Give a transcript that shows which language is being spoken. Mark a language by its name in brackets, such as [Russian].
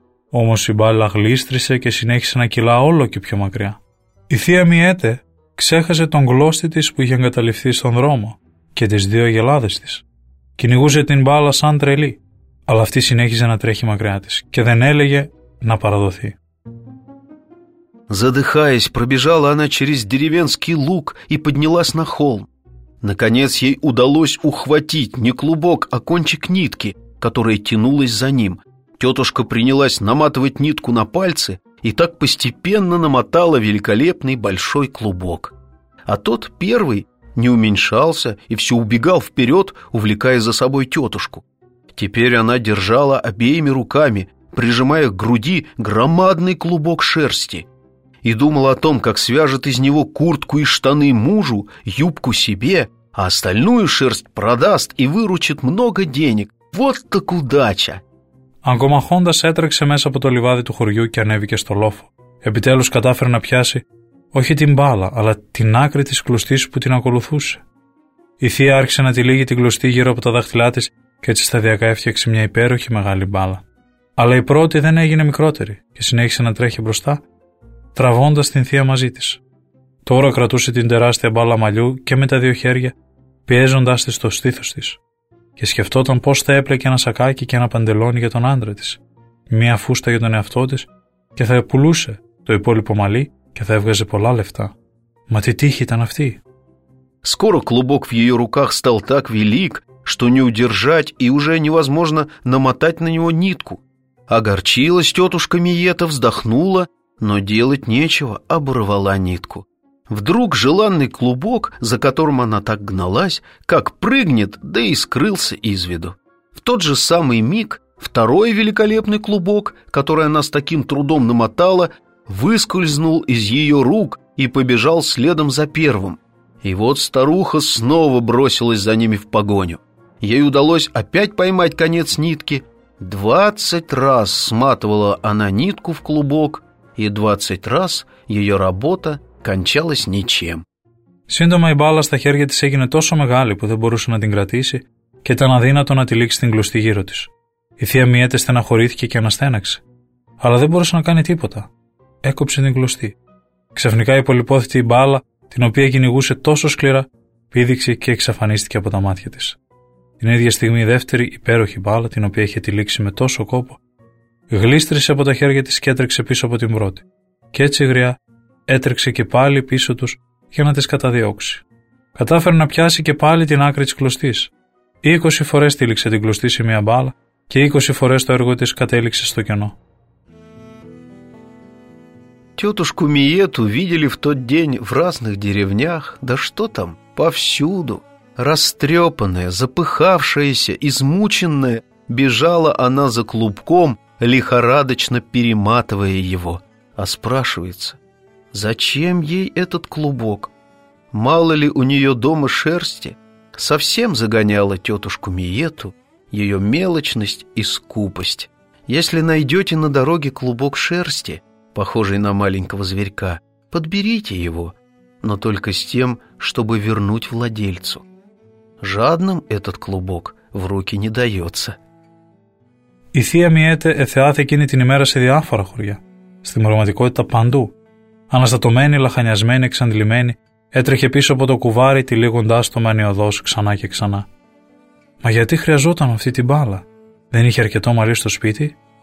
[Greek] Όμως η μπάλα γλίστρησε και συνέχισε να κυλά όλο και πιο μακριά. Η θεία Μιέτε ξέχασε τον γλώσσι της που είχε εγκαταληφθεί στον δρόμο και τις δύο αγελάδες της. Κυνηγούσε την μπάλα σαν τρελή. Αλλά αυτή συνέχιζε να τρέχει μακριά της και δεν έλεγε να παραδοθεί. [Russian] Задыхаясь, пробежала она через деревенский луг и поднялась на холм. Наконец ей удалось ухватить не клубок, а кончик нитки, которая тянулась за ним. Тетушка принялась наматывать нитку на пальцы и так постепенно намотала великолепный большой клубок. А тот первый не уменьшался и все убегал вперед, увлекая за собой тетушку. Теперь она держала обеими руками, прижимая к груди громадный клубок шерсти, и думала о том, как свяжет из него куртку и штаны мужу, юбку себе, а остальную шерсть продаст и выручит много денег. Вот так удача! [Greek] Αγκομαχώντας έτρεξε μέσα από το λιβάδι του χωριού και ανέβηκε στο λόφο. Επιτέλους κατάφερε να πιάσει όχι την μπάλα, αλλά την άκρη της κλωστής που την ακολουθούσε. Η θεία άρχισε να τυλίγει την κλωστή γύρω από τα δάχτυλά της και έτσι σταδιακά έφτιαξε μια υπέροχη μεγάλη μπάλα. Αλλά η πρώτη δεν έγινε μικρότερη και συνέχισε να τρέχει μπροστά, τραβώντας την θεία μαζί της. Τώρα κρατούσε την τεράστια μπάλα μαλλιού και με τα δύο χέρια, πιέζοντάς της το στήθος της. Και σκεφτόταν πώς θα έπλεκε ένα σακάκι και ένα παντελόνι για τον άντρα της, μια φούστα για τον εαυτό της και θα πουλούσε το υπόλοιπο μαλλί και θα έβγαζε πολλά λεφτά. Μα τι τύχη ήταν αυτή! [Russian] Скоро клубок в ее руках стал так велик, что не удержать и уже невозможно намотать на него нитку. Огорчилась тетушка Миета, вздохнула, но делать нечего, оборвала нитку. Вдруг желанный клубок, за которым она так гналась, как прыгнет, да и скрылся из виду. В тот же самый миг второй великолепный клубок, который она с таким трудом намотала, выскользнул из ее рук и побежал следом за первым. И вот старуха снова бросилась за ними в погоню. Ей удалось опять поймать конец нитки. 20 раз сматывала она нитку в клубок, и 20 раз ее работа кончалась ничем. [Greek] Сύντομα η μπάλα στα χέρια της έγινε τόσο μεγάλη που δεν μπορούσε να την κρατήσει και ήταν αδύνατο να τη λήξει την κλωστή γύρω της. Η θεία Μιέτε στεναχωρήθηκε και αναστέναξε. Αλλά δεν μπορούσε να κάνει τίποτα. Έκοψε την κλωστή. Ξαφνικά η πολυπόθητη μπάλα, την οποία κυνηγούσε τόσο σκληρά, πήδηξε και εξαφανίστηκε από τα μάτια της. Την ίδια στιγμή η δεύτερη υπέροχη μπάλα, την οποία είχε τυλίξει με τόσο κόπο, γλίστρησε από τα χέρια της και έτρεξε πίσω από την πρώτη. Και έτσι γριά έτρεξε και πάλι πίσω τους για να τις καταδιώξει. Κατάφερε να πιάσει και πάλι την άκρη της κλωστής. 20 φορές τύλιξε την κλωστή σε μια μπάλα και 20 φορές το έργο της κατέληξε στο κενό. [Russian] Тетушку Миету видели в тот день в разных деревнях, да что там, повсюду. Растрепанная, запыхавшаяся, измученная, бежала она за клубком, лихорадочно перематывая его. А спрашивается, зачем ей этот клубок? Мало ли у нее дома шерсти? Совсем загоняла тетушку Миету ее мелочность и скупость. Если найдете на дороге клубок шерсти, похожий на маленького зверька, подберите его, но только с тем, чтобы вернуть владельцу. Жадным этот клубок в руки не дается. [Greek] Η θεία Μιέτε εθεάθη εκείνη την ημέρα σε διάφορα χωριά. Στην πραγματικότητα παντού. Αναστατωμένη, λαχανιασμένη, εξαντλημένη, έτρεχε πίσω από το κουβάρι, τυλίγοντάς το μανιωδώς ξανά και ξανά. Μα γιατί χρειαζόταν αυτή την μπάλα? Δεν είχε αρκετό μαλλί στο σπίτι?